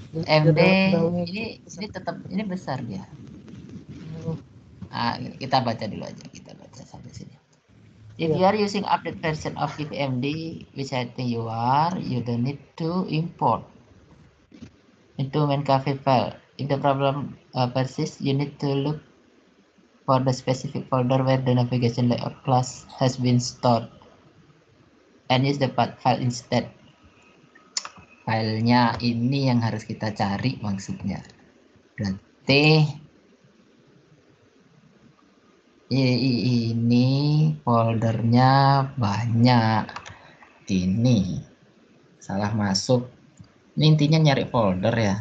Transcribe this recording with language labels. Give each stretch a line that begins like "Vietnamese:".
Indonesian: MD ini tetap ini besar dia. Kita baca dulu aja, kita baca sampai sini.
English: If you are using update version of KVMD, which I think you are, you don't need to import into mainkv file. If the problem persists, you need to look for the specific folder where the navigation layout class has been stored and use the path file instead.
Indonesian: Filenya ini yang harus kita cari maksudnya. Berarti ini foldernya banyak. Ini salah masuk. Ini intinya nyari folder ya.